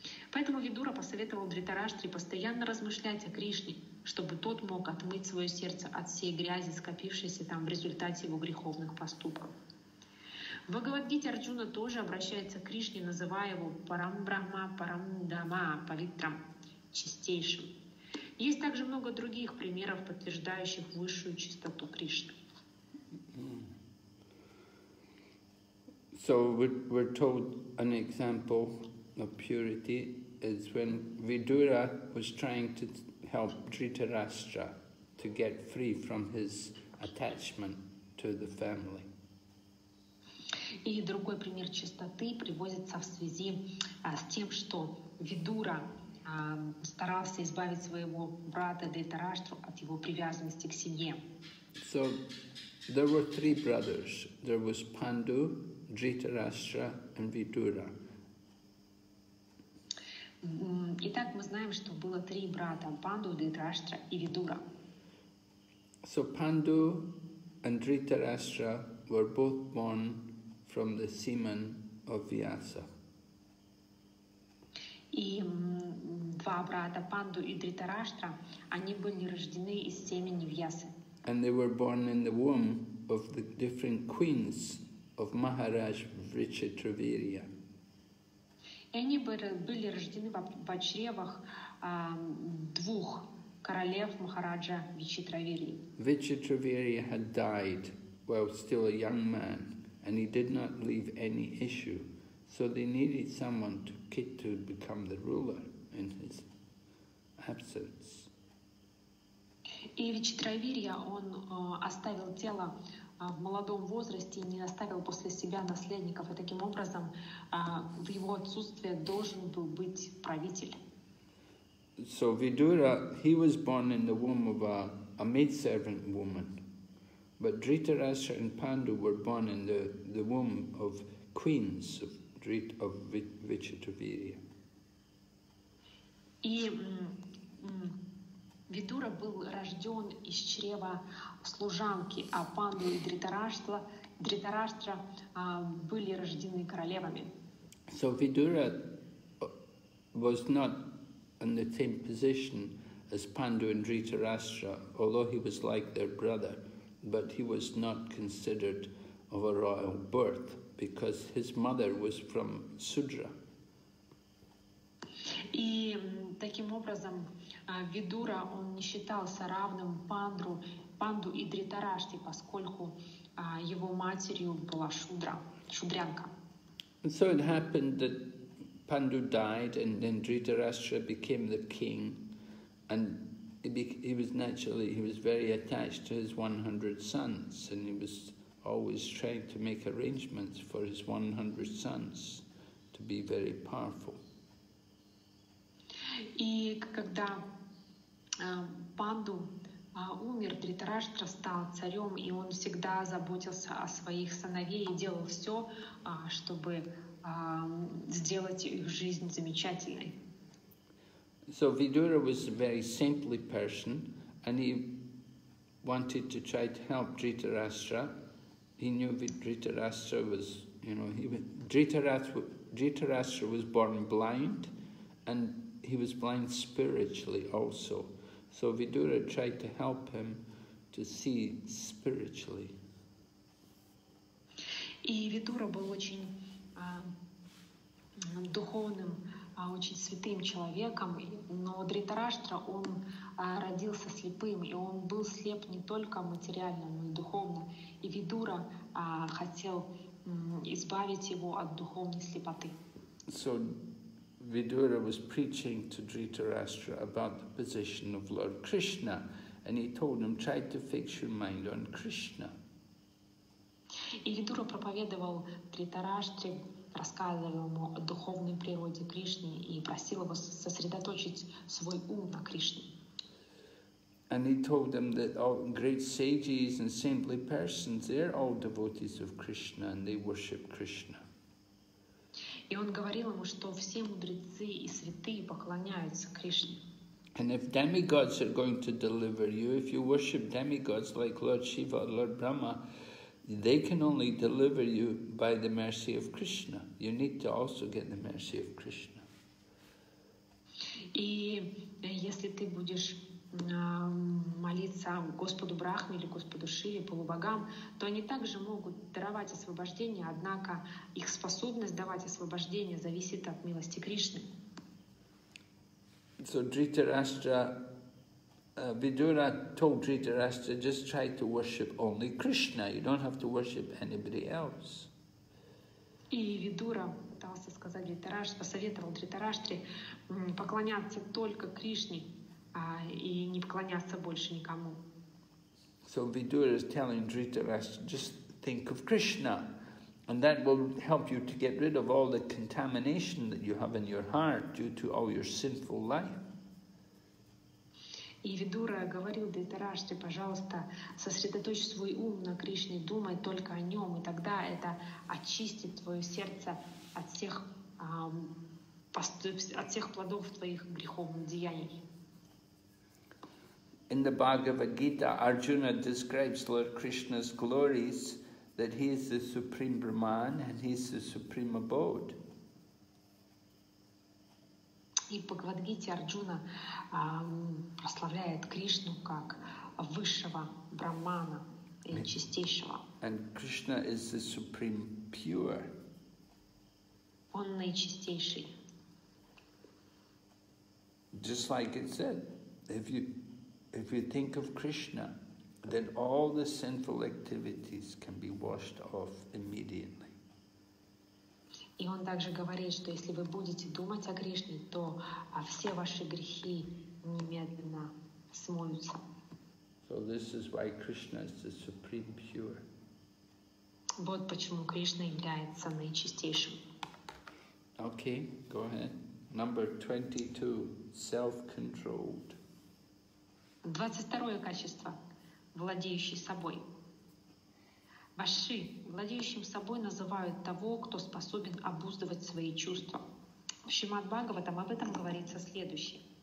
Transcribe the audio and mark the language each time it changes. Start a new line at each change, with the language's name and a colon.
Russian: Поэтому Видура посоветовал Дритараштре постоянно размышлять о Кришне, чтобы тот мог отмыть свое сердце от всей грязи, скопившейся там в результате его греховных поступков. Бхагавад-гите Арджуна тоже обращается к Кришне, называя его Парамбрахма Парамдама Павитрам – чистейшим. Есть также много других примеров, подтверждающих высшую чистоту Кришны.
English: So we're told an example of purity is when Vidura was trying to help Dhritarashtra to get free from his attachment to the family.
Russian: И другой пример чистоты приводится в связи с тем, что Видура старался избавить своего брата Дхритараштру от его привязанности к семье.
English: So there were three brothers. There was Pandu, Dhritarashtra and Vidura.
Russian: Итак, мы знаем, что было три брата – Панду, Дритараштра и Видура.
English: So Pandu and Dhritarashtra were both born from the semen of Vyasa.
Russian: И два брата – Панду и Дритараштра, они были рождены из семени Вьясы.
English: And they were born in the womb of the different queens of Maharaj Vrichatravirya.
Russian: И они были рождены в чревах двух королев Махараджа Вичитравири.
English: Vichitravirya had died while still a young man, and he did not leave any issue, so they needed someone to become the ruler in his absence.
Russian: И Вичитравирья, он оставил тело в молодом возрасте и не оставил после себя наследников, и таким образом в его отсутствие должен был быть правитель.
English: So Vidura, he was born in the womb of a maidservant woman, but Dhritarashtra and Pandu were born in the womb of queens of Vichitravirya.
Russian: И Витура был рожден из чрева служанки, а Панду и Дритараштра были рождены королевами.
English: So Vidura was not in the same position as Pandu and Dhritarashtra, although he was like their brother, but he was not considered of a royal birth because his mother was from Sudra.
Russian: И таким образом Видура он не считался равным Панду и Дритараште, поскольку его матерью была шудрянка.
English: So it happened that Pandu died, and then Dhritarashtra became the king, and he was very attached to his 100 sons, and he was always trying to make arrangements for his 100 sons to be very powerful.
Russian: И когда Панду умер, Дритараштра стал царем, и он всегда заботился о своих сыновей и делал все, чтобы сделать их жизнь замечательной.
English: So Vidura was a very saintly person, and he wanted to try to help Dhritarashtra. He knew Dhritarashtra was, you know, Dhritarashtra was born blind, and he was blind spiritually also. So Vidura tried to help him to see spiritually.
Russian: И Витура был очень духовным, очень святым человеком, но Дритараштра, он родился слепым, и он был слеп не только материально, но и духовно. И Видура хотел избавить его от духовной слепоты.
English: So Vidura was preaching to Dhritarashtra about the position of Lord Krishna, and he told him, try to fix your mind on Krishna.
Russian: И Видура проповедовал Дритараштре, рассказывал ему о духовной природе Кришны и просил его сосредоточить свой ум на Кришне.
English: And he told them that all great sages and saintly persons, they're all devotees of Krishna and they worship Krishna.
Russian: И он говорил ему, что все мудрецы и святые поклоняются Кришне.
English: And if demigods are going to deliver you, if you worship demigods like Lord Shiva or Lord Brahma, they can only deliver you by the mercy of Krishna. You need to also get the mercy of Krishna.
Russian: И если ты будешь молиться Господу Брахме или Господу Шиве, полубогам, то они также могут даровать освобождение, однако их способность давать освобождение зависит от милости Кришны.
English: So Dhritarashtra, Vidura told Dhritarashtra, just try to worship only Krishna. You don't have to worship anybody else.
Russian: И Видура пытался сказать Дритараштре, посоветовал Дритараштре поклоняться только Кришне и не поклоняться больше никому.
English: So Vidura is telling Dhritarashtra, just think of Krishna, and that will help you to get rid of all the contamination that you have in your heart due to all your sinful life.
Russian: И Видура говорил Дритараштре, пожалуйста, сосредоточь свой ум на Кришне, думай только о нем, и тогда это очистит твое сердце от всех плодов твоих греховных деяний.
English: In the Bhagavad Gita, Arjuna describes Lord Krishna's glories, that he is the supreme Brahman and he is the supreme abode.
Russian: И в Бхагавад-гите Арджуна прославляет Кришну как высшего брахмана и чистейшего.
English: And Krishna is the supreme pure.
Russian: Он наичистейший.
English: Just like it said, if you think of Krishna, then all the sinful activities can be washed off immediately.
Russian: И он также говорит, что если вы будете думать о Кришне, то все ваши грехи немедленно смоются.
English: So this is why Krishna is the supreme pure.
Russian: Вот почему Кришна является наичистейшим.
English: Okay, go ahead. Number 22, self-controlled.
Russian: 22-е качество, владеющий собой. Ваши, владеющим собой, называют того, кто способен обуздывать свои чувства. В Шримад-Бхагаватам об этом говорится следующее.